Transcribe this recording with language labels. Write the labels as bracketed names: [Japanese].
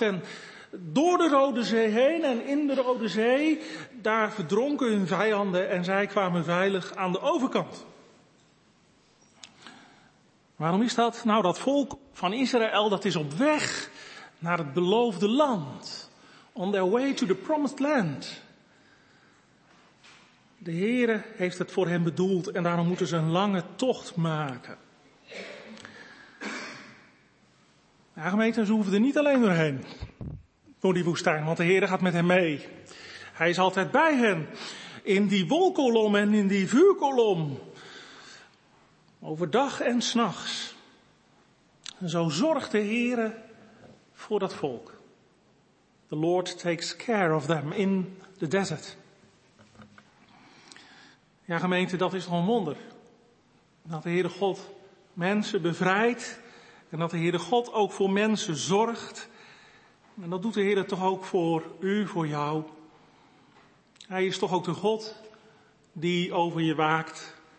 [Dutch] En door de Rode Zee heen en in de Rode Zee, daar verdronken hun vijanden en zij kwamen veilig aan de overkant. Waarom is dat? Nou, dat volk van Israël dat is op weg naar het beloofde land. [English] On their way to the promised land. [Dutch] De Heere heeft het voor hen bedoeld en daarom moeten ze een lange tocht maken. Ja, gemeente, ze hoeven er niet alleen doorheen. Door die woestijn, want de Heere gaat met hen mee. Hij is altijd bij hen. In die wolkolom en in die vuurkolom. Overdag en 's nachts. En zo zorgt de Heere voor dat volk. [English] The Lord takes care of them in the desert. [Dutch] Ja, gemeente, dat is toch een wonder. Dat de Heere God mensen bevrijdt. En dat de Heere God ook voor mensen zorgt. En dat doet de Heere toch ook voor u, voor jou. Hij is toch ook de God die over je waakt.